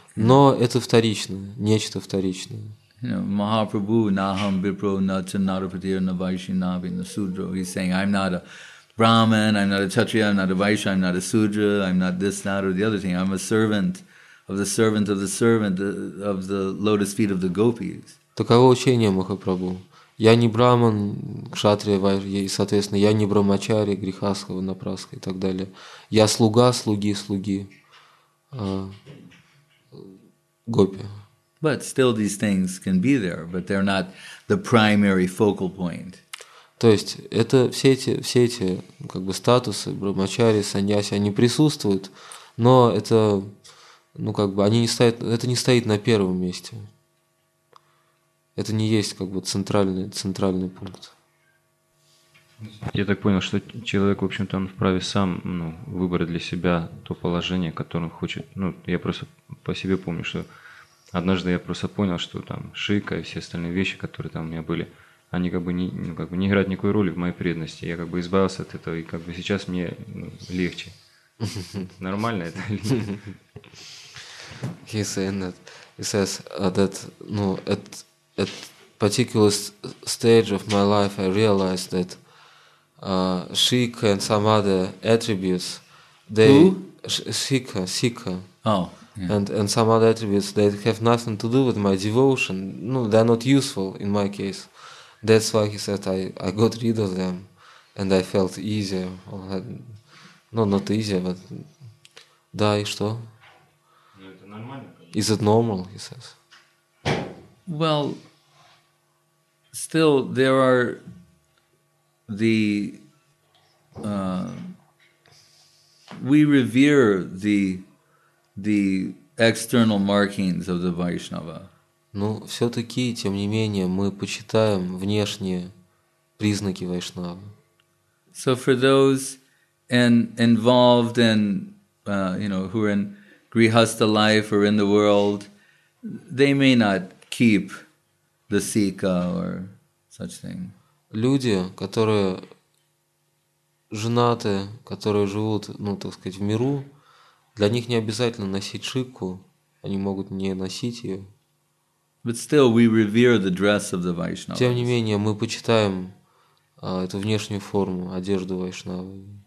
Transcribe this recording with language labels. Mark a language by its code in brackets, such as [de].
[ru] Но это вторичное, нечто вторичное. [sa] Махапрабху нахам бипро нача нарапатир на вайшнави на судро. [en] He's saying, I'm not a Brahman, I'm not a Kshatriya, I'm not a Vaishya, I'm not a Sudra, I'm not this, that, or the other thing. I'm a servant of the servant of the servant of the lotus feet of the gopis. [ru] Таково учение Махапрабху. Я не Брахман, Кшатрия, Вайшья, и, соответственно, я не Брамачари, Грихасха, Напраска и так далее. Я слуга, слуги, слуги гопи. [en] But still these things can be there, but they're not the primary focal point. [ru] То есть это все эти как бы статусы, брахмачари, саньяси, они присутствуют, но это, ну как бы, они не стоят, это не стоит на первом месте. Это не есть как бы центральный пункт. Я так понял, что человек, в общем-то, он вправе сам, ну, выбрать для себя то положение, которое он хочет. Ну, я просто по себе помню, что однажды я просто понял, что там шика и все остальные вещи, которые там у меня были, они как бы не, ну, как бы не играют никакой роли в моей преданности. Я как бы избавился от этого, и как бы сейчас мне, ну, легче. Нормально это или нет? [en] He's saying that. He says that, ну, at particular stage of my life, I realized that shika and some other attributes, they... Shika. Oh. Yeah. And some other attributes that have nothing to do with my devotion. No, they're not useful in my case. That's why he said I got rid of them, and I felt easier. No, not easier, but [ru] да и что? [en] Is it normal? He says. Well, still there are the we revere the external markings of the Vaishnava. [ru] Ну, все-таки, тем не менее, мы почитаем внешние признаки вайшнавы. [en] So for those involved in, you know, who are in grihastha life or in the world, they may not keep the sika or such thing. [ru] Люди, которые женаты, которые живут, ну, так сказать, в миру, для них не обязательно носить шику, они могут не носить ее. [en] But still we revere the dress of the Vaishnava. [ru] Тем не менее, мы почитаем эту внешнюю форму, одежду вайшнавы.